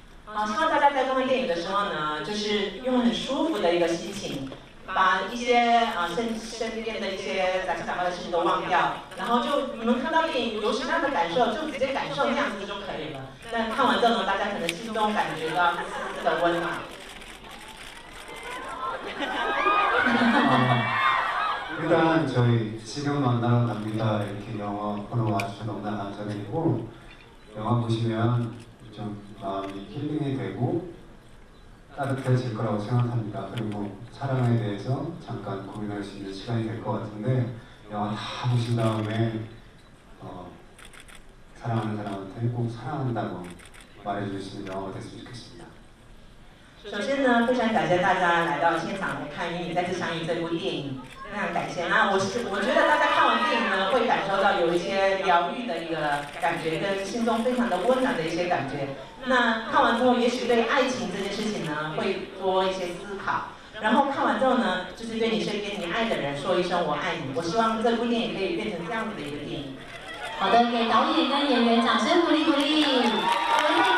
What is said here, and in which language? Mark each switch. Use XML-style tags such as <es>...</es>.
<zh>好，希望大家在观看电影的时候呢，就是用很舒服的一个心情，把一些身边的一些杂七杂八的事情都忘掉，然后就你们看到电影有什么样的感受，就直接感受那样子就可以了。那看完之后呢，大家可能心中感觉到的温暖。</zh> <ko>일단 저희 지금 만나는 남미가 이렇게 영화 보러 와주셔서 너무나 감사드리고 영화 보시면 좀 마음이 힐링이 되고 따뜻해질 거라고 생각합니다. 그리고 사랑에 대해서 잠깐 고민할 수 있는 시간이 될 것 같은데 영화 다 보신 다음에 사랑하는 사람한테 꼭 사랑한다고 말해줄 수 있는 영화가 됐으면 좋겠습니다.</ko> <zh>首先呢，非常感谢大家来到现场看电影，再次上映这部电影。那感谢啊，我觉得大家看完电影呢，会感受到有一些疗愈的一个感觉跟心中非常的温暖的一些感觉。那看完之后，也许对爱情这件事情呢，会多一些思考。然后看完之后呢，就是对你身边你爱的人说一声我爱你。我希望这部电影可以变成这样子的一个电影。好的，给导演跟演员掌声鼓励鼓励。</zh>